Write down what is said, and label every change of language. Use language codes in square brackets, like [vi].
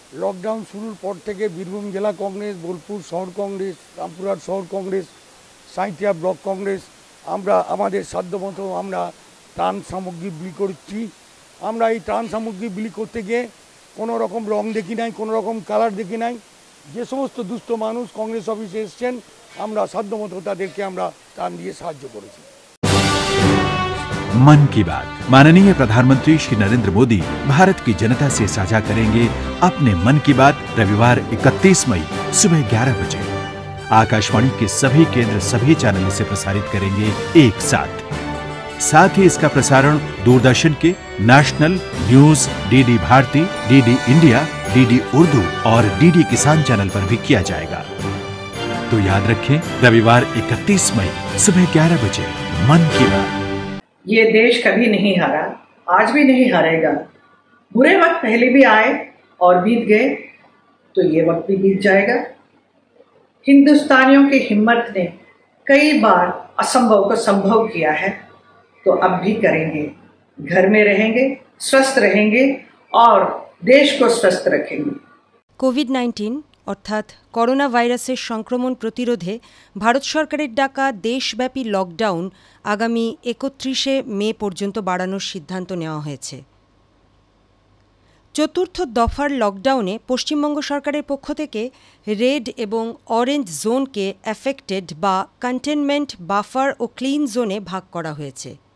[bn] Lockdown শুরুর পর থেকে বীরভূম জেলা কংগ্রেস, বোলপুর শহর কংগ্রেস, রামপুরহাট শহর কংগ্রেস, সাঁইথিয়া ব্লক কংগ্রেস, আমরা আমাদের সাধ্যমতো আমরা ত্রাণ সামগ্রী বিলি করছি। আমরা এই ত্রাণ সামগ্রী বিলি করতে গিয়ে কোনো রকম রং দেখি নাই, কোনো রকম কালার দেখি নাই। যে সমস্ত দুস্থ মানুষ কংগ্রেস অফিসে এসছেন আমরা সাধ্যমতো তাদেরকে আমরা ত্রাণ দিয়ে সাহায্য করেছি। [hi] মন কি বাত, माननीय प्रधानमंत्री श्री नरेंद्र मोदी भारत की जनता से साझा करेंगे अपने मन की बात रविवार 31 मई सुबह 11 बजे आकाशवाणी के सभी केंद्र सभी चैनलों से प्रसारित करेंगे एक साथ। साथ ही इसका प्रसारण दूरदर्शन के national news DD Bharti DD India DD Urdu और डीडी किसान चैनल पर भी किया जाएगा। तो याद रखें रविवार 31 मई सुबह 11 बजे मन की बात। ये देश कभी नहीं हारा आज भी नहीं हारेगा। बुरे वक्त पहले भी आए और बीत गए तो ये वक्त भी बीत जाएगा। हिंदुस्तानियों की हिम्मत ने कई बार असंभव को संभव किया है तो अब भी करेंगे। घर में रहेंगे स्वस्थ रहेंगे और देश को स्वस्थ रखेंगे। [bn] कोविड 19 অর্থাৎ করোনা ভাইরাসের সংক্রমণ প্রতিরোধে ভারত সরকারের ডাকা দেশব্যাপী লকডাউন আগামী 31 মে পর্যন্ত বাড়ানোর সিদ্ধান্ত নেওয়া হয়েছে। চতুর্থ দফার লকডাউনে পশ্চিমবঙ্গ সরকারের পক্ষ থেকে রেড এবং অরেঞ্জ জোনকে অ্যাফেক্টেড বা কন্টেনমেন্ট বাফার ও ক্লিন জোনে ভাগ করা হয়েছে।